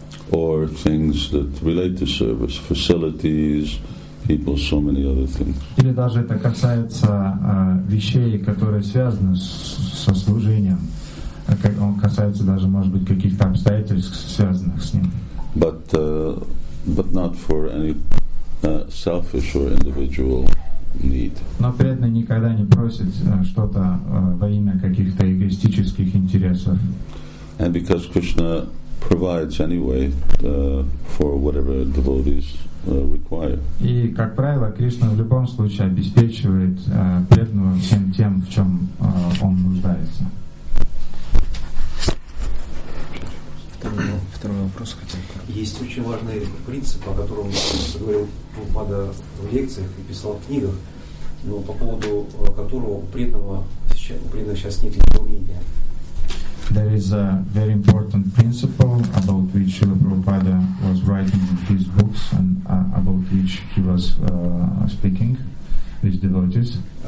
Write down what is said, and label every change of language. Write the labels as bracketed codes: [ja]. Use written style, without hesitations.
[en] Or things that relate to service, facilities, people, so many other things. [ru] Или даже это касается вещей, которые связаны со служением. Он касается даже, может быть, каких-то обстоятельств, связанных с ним. [en] But not for any selfish or individual need. [ru] Но преданный никогда не просит что-то во имя каких-то эгоистических интересов. [en] And because Krishna provides anyway for whatever devotees require. [ru] И как правило, Кришна в любом случае обеспечивает преданного всем тем, в чем он нуждается. Второй вопрос хотел. есть очень важный принцип, о котором я говорил Прабхупада в лекциях и писал в книгах, но по поводу которого у преданного сейчас нет никакого мнения. [en] There is a very important principle about which Srila Prabhupada was writing in his books and about which he was speaking with devotees.